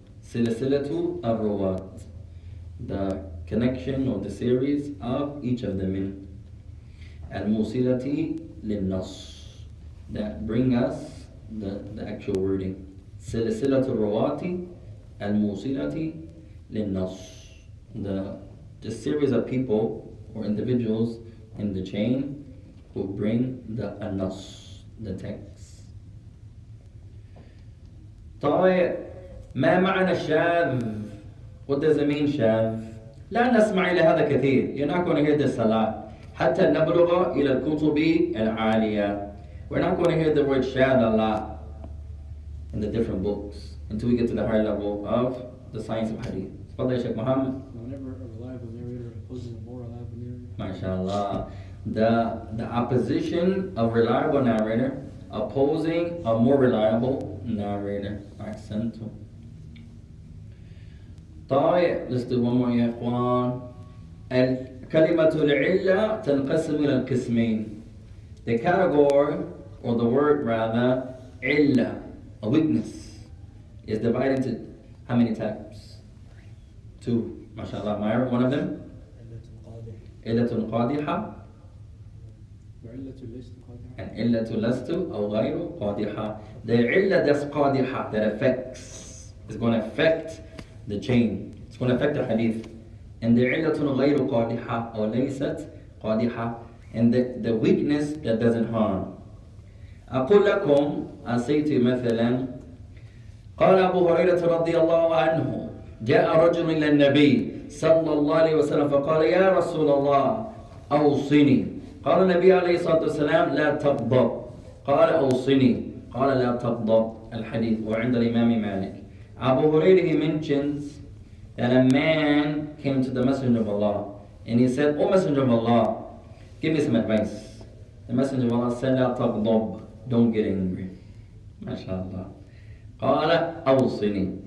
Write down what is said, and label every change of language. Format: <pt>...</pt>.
<ar>سلسلة الرواة.</ar> <en>The connection or the series of each of them in</en> <ar>al-musilati lil-nas</ar> <en>that bring us the actual wording</en> <ar>silsilatu rawati al-musilati lil-nas</ar> <en>the series of people or individuals in the chain who bring the al-nas the text.</en> <ar>طيب ما معنى الشاذ?</ar> <en>What does it mean, Shav?</en> <ar>لا نسمع إلى هذا كثير.</ar> <en>You're not going to hear this a lot.</en> <ar>حتى نبلغ إلى الكتب العالية.</ar> <en>We're not going to hear the word Shav a lot in the different books until we get to the higher level of the science of Hadith.</en> <ar>تفضل يا شيخ محمد.</ar> <en>Whenever a reliable narrator opposes a more reliable narrator. MashaAllah. The opposition of reliable narrator opposing a more reliable narrator. Accent.</en> <ar>طيب لستوما يا إخوان الكلمة العلة تنقسم إلى قسمين.</ar> <en>The category or the word rather علة, a weakness, is divided into how many types? Two.</en> <ar>ما شاء الله.</ar> <en>Myra, one of them.</en> <ar>علة قادحة. علة لست قادحة. علة لست أو غير قادحة.</ar> <en>The علة that's قادحة that affects is going to affect the chain. It's going to affect the hadith. And the</en> <ar>illatun ghayru qadiha</ar> <en>or</en> <ar>laysat qadiha.</ar> <en>And the weakness that doesn't harm.</en> <ar>أقول لكم,</ar> <en>I say to you</en> <ar>مثلا, قال أبو هريرة رضي الله عنه, جاء رجل إلى النبي صلى الله عليه وسلم فقال يا رسول الله أوصني. قال النبي عليه الصلاة والسلام لا تغضب. قال أوصني. قال لا تغضب. الحديث وعند الإمام مالك.</ar> <en>أبو هريرة he mentions that a man came to the Messenger of Allah and he said, oh Messenger of Allah, give me some advice. The Messenger of Allah said,</en> <ar>لا تغضب,</ar> <en>don't get angry.</en> <ar>MashaAllah. قال أوصني.</ar>